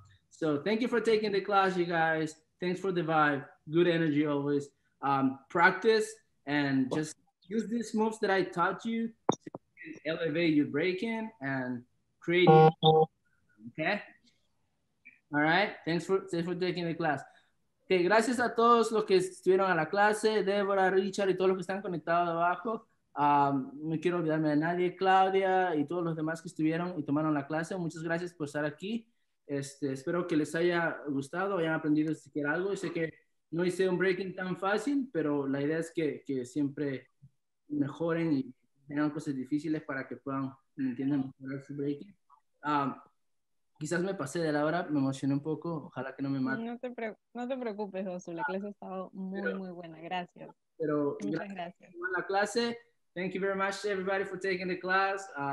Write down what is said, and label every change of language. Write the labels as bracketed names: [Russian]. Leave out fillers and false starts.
[English] So thank you for taking the class, you guys. Thanks for the vibe. Good energy always. Practice. And just use these moves that I taught you to elevate your breaking and create. Okay. All right. Thanks for taking the class. [Spanish] Okay, gracias a todos los que estuvieron a la clase, Débora, Richard y todos los que están conectados abajo. No quiero olvidarme de nadie, Claudia y todos los demás que estuvieron y tomaron la clase. Muchas gracias por estar aquí. Espero que les haya gustado, hayan aprendido siquiera algo. Sé que no hice un breaking tan fácil, pero la idea es que siempre mejoren y tengan cosas difíciles para que puedan entender mejor su breaking. Quizás me pasé de la hora, me emocioné un poco, ojalá que no me mate. No te preocupes, Dosu, la clase ha estado muy buena, gracias. Pero muchas gracias. La clase. [English] Thank you very much everybody for taking the class.